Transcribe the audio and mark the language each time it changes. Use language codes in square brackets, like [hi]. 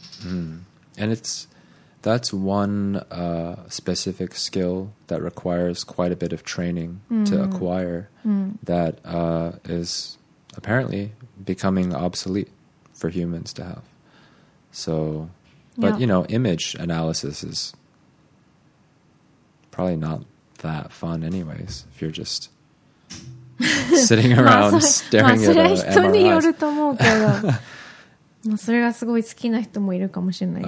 [en] Mm. And it's that's one specific skill that requires quite a bit of training to acquire that is apparently becoming obsolete for humans to have. So... But, you know, image analysis is probably not that fun anyways if you're just sitting around staring at MRIs. [ja] まあ、それは人によると思うけど。まあ、それがすごい好きな人もいるかもしれないし。